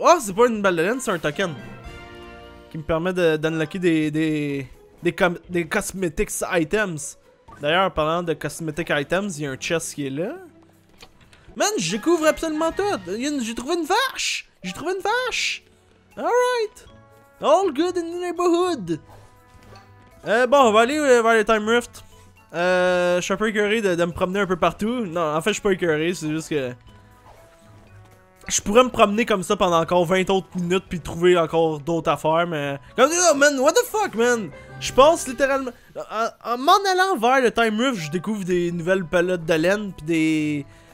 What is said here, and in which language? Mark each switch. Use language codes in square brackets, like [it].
[fr] Oh, c'est pas une balle de laine, c'est un token. Qui me permet d'unlocker des cosmetics items. D'ailleurs, en parlant de cosmetic items, y a un chest qui est là. Man, je découvre absolument tout. J'ai trouvé une vache. J'ai trouvé une vache. Alright. [en] All good in the neighborhood. [fr] Bon, on va aller vers le Time Rift. Je suis un peu écœuré de me promener un peu partout. Non, en fait, je suis pas écœuré. C'est juste que... Je pourrais me promener comme ça pendant encore 20 autres minutes puis trouver encore d'autres affaires, mais... Comme [en] oh, man, what the fuck, man? [fr] Je pense littéralement... En m'en allant vers le Time Rift, je découvre des nouvelles palettes de laine puis des...